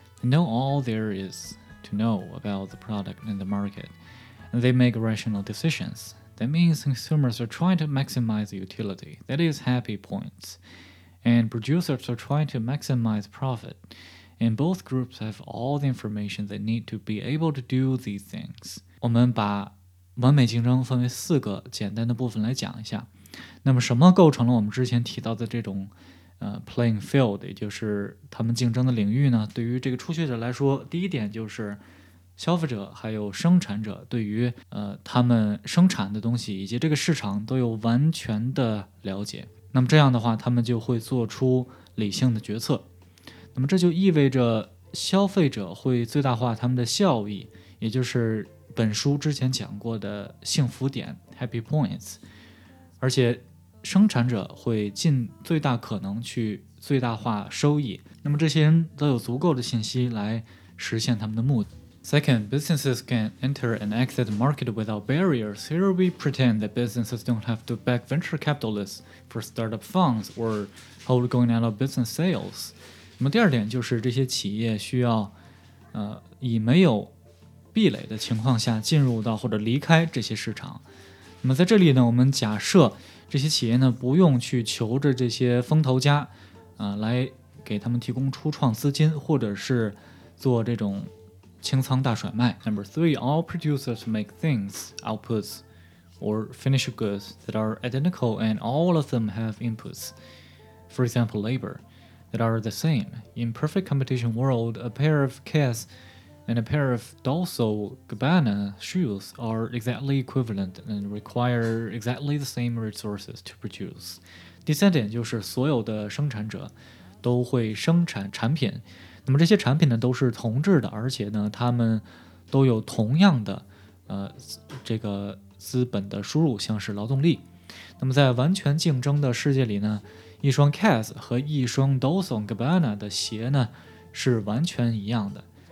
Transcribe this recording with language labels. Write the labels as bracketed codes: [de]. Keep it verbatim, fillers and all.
[en] They know all there is to know about the product and the market, and they make rational decisions. That means consumers are trying to maximize utility, that is happy points, and producers are trying to maximize profit, and both groups have all the information they need to be able to do these things. [zh] 我们把完美竞争分为四个简单的部分来讲一下。那么什么构成了我们之前提到的这种呃 [en] playing field， [zh] 也就是他们竞争的领域呢？对于这个初学者来说，第一点就是消费者还有生产者对于呃他们生产的东西以及这个市场都有完全的了解。那么这样的话，他们就会做出理性的决策。那么这就意味着消费者会最大化他们的效益，也就是本书之前讲过的幸福点 [en] （happy points）， [zh] 而且生产者会尽最大可能去最大化收益。那么这些人都有足够的信息来实现他们的目的。 [en] Second, businesses can enter and exit the market without barriers. Here we pretend that businesses don't have to back venture capitalists for startup funds or hold going out of business sales. [zh] 那么第二点就是这些企业需要、呃、以没有壁垒的情况下进入到或者离开这些市场。那么在这里呢，我们假设这些企业呢不用去求着这些风投家啊、呃、来给他们提供初创资金，或者是做这种清仓大甩卖。 [en] Number three, all producers make things, outputs, or finished goods that are identical, and all of them have inputs. For example, labor that are the same. In perfect competition world, a pair of cats and a pair of Dolce and Gabbana shoes are exactly equivalent and require exactly the same resources to produce. [zh] 第三点就是所有的生产者都会生产产品，那么这些产品呢都是同质的，而且呢他们都有同样的呃这个资本的输入，像是劳动力。那么在完全竞争的世界里呢，一双 Keds 和一双 Dolce and Gabbana 的鞋呢是完全一样的。